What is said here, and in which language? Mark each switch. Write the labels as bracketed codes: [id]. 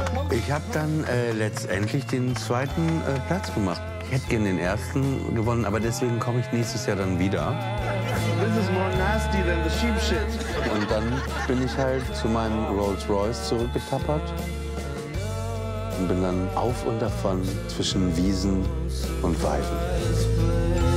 [de] Ich habe dann letztendlich den zweiten Platz gemacht. Ich hätte gerne den ersten gewonnen, aber deswegen komme ich nächstes Jahr dann wieder. [en] This is more nasty than the sheep shit. [de] Und dann bin ich halt zu meinem Rolls Royce zurückgetappert und bin dann auf und davon zwischen Wiesen und Weiden.